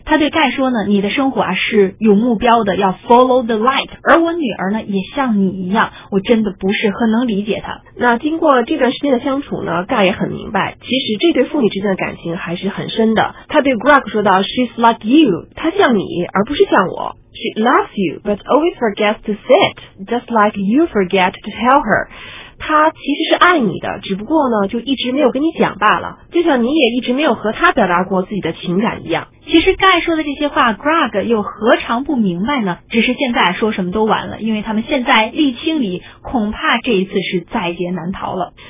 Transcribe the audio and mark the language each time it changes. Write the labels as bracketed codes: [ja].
[zh] 他对盖说呢：“你的生活啊是有目标的，要 [en] follow the light。 [zh] 而我女儿呢，也像你一样，我真的不是很能理解她。” 那经过这段时间的相处呢，盖也很明白，其实这对父女之间的感情还是很深的。他对 Greg 说道 ： [en] “She's like you， [zh] 她像你，而不是像我。” [en] She loves you, but always forgets to say it, just like you forget to tell her. [zh] 她其实是爱你的，只不过呢，就一直没有跟你讲罢了，就像你也一直没有和她表达过自己的情感一样。其实盖说的这些话 ，Greg 又何尝不明白呢？只是现在说什么都晚了，因为他们现在沥青里，恐怕这一次是在劫难逃了。